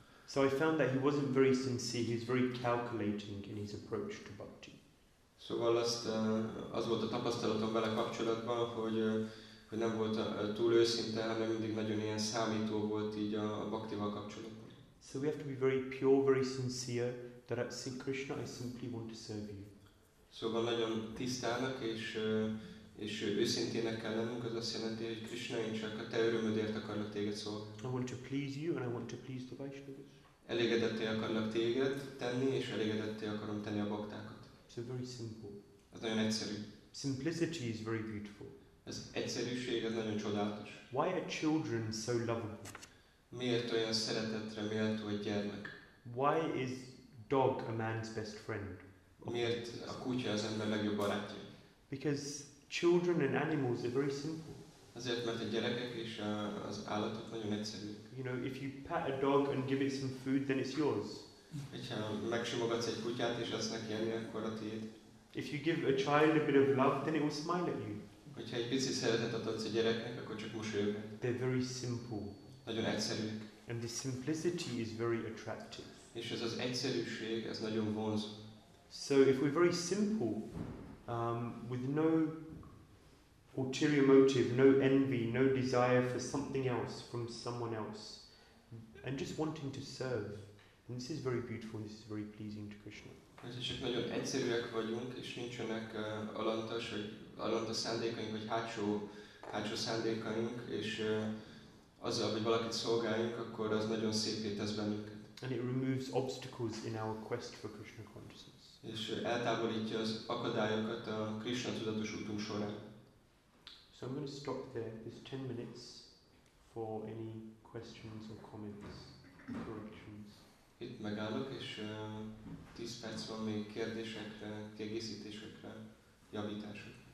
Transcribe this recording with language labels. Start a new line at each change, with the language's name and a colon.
English: So I found that he wasn't very sincere, he was very calculating in his approach to bhakti.
Hungarian: Szóval azt, az volt a tapasztalatom vele kapcsolatban, hogy nem volt túl őszinte, hanem mindig nagyon ilyen számító volt így a bhaktival kapcsolatban.
English: So we have to be very pure, very sincere. That at Sri Krishna, I simply want to serve you.
Hungarian: Szóval nagyon tisztának és őszintének kell lennünk, az azt jelenti, hogy Krishna, én csak a te örömödért akarlak téged szolgálni.
English: I want to please you, and I want to please the Vaishnavas.
Hungarian: Elégedetté akarlak téged tenni, és elégedetté akarom tenni a baktákat.
English: So very simple.
Hungarian: Ez nagyon egyszerű.
English: Simplicity is very beautiful.
Hungarian: Ez egyszerűség, ez nagyon csodálatos.
English: Why are children so lovable?
Hungarian: Miért olyan szeretetre méltó egy gyermek?
English: Why is dog a man's best friend?
Hungarian: Miért a kutya az ember legjobb barátja?
English: Because children and animals are very simple.
Hungarian: Azért, mert a gyerekek és az állatok nagyon egyszerűek.
English: You know, if you pat a dog and give it some food, then it's yours.
Hungarian: Hogyha megsimogatsz egy kutyát és azt neki enni, akkor a tiéd.
English: If you give a child a bit of love, then it will smile at you.
Hungarian: Hogyha egy pici szeretet adsz a gyereknek, akkor csak mosolyog.
English: They're very simple.
Hungarian: Nagyon egyszerűek.
English: And the simplicity is very attractive.
Hungarian: És ez az egyszerűség, ez nagyon vonzó.
English: So if we're very simple, with no ulterior motive, no envy, no desire for something else from someone else, and just wanting to serve, and this is very beautiful, this is very pleasing to Krishna.
Hungarian: Ez csak nagyon egyszerűek vagyunk, és nincsenek alanta szándékaink, vagy hátsó szándékaink, és azzal, hogy valakit szolgáljunk, akkor az nagyon szépé tesz bennünk.
English: And it removes obstacles in our quest for Krishna consciousness.
Hungarian: És eltávolítja az akadályokat a Krishna tudatos útunk során.
English: So I'm going to stop there. There's 10 minutes for any questions or comments, corrections.
Hungarian: Itt megállok, és 10 perc van még kérdésekre, kiegészítésekre, javításokra.